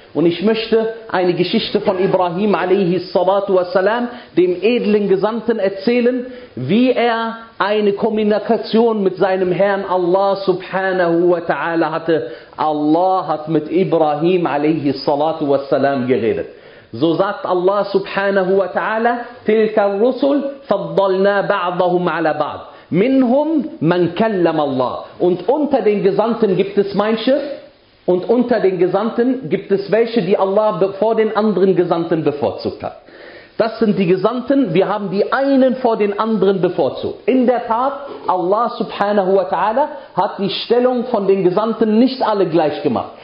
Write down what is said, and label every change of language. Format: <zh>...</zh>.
<de>Und ich möchte eine Geschichte von Ibrahim alayhi salatu wassalam, dem edlen Gesandten, erzählen, wie er eine Kommunikation mit seinem Herrn Allah subhanahu wa ta'ala hatte. Allah hat mit Ibrahim alayhi salatu wassalam geredet. So sagt Allah subhanahu wa ta'ala,</de> <ar>تِلْكَ الرُّسُلْ فَضَّلْنَا بَعْضَهُمْ عَلَى بَعْضٍ منهم من كلم الله.</ar> <de>Und unter den Gesandten gibt es manche, und unter den Gesandten gibt es welche, die Allah vor den anderen Gesandten bevorzugt hat. Das sind die Gesandten, wir haben die einen vor den anderen bevorzugt. In der Tat, Allah subhanahu wa ta'ala hat die Stellung von den Gesandten nicht alle gleich gemacht.</de>